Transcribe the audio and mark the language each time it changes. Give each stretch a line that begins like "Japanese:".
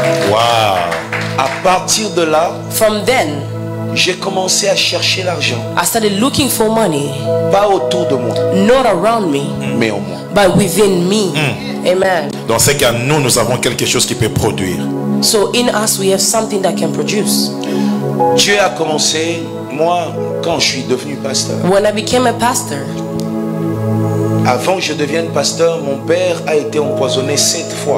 English: Wow.
French: À partir de là,
English: from then,
French: j'ai commencé à chercher l'argent.
English: I started looking for money.
French: Pas autour de moi.
English: Not around me.
French: Mais en moi.
English: But within me. Amen.
French: Donc c'est qu'à nous, nous avons quelque chose qui peut produire.
English: So in us, we have something that can produce.
French: Dieu a commencé, moi, quand je suis devenu pasteur.
English: When I became a pastor.
French: Avant que je devienne pasteur, mon père a été empoisonné 7 fois.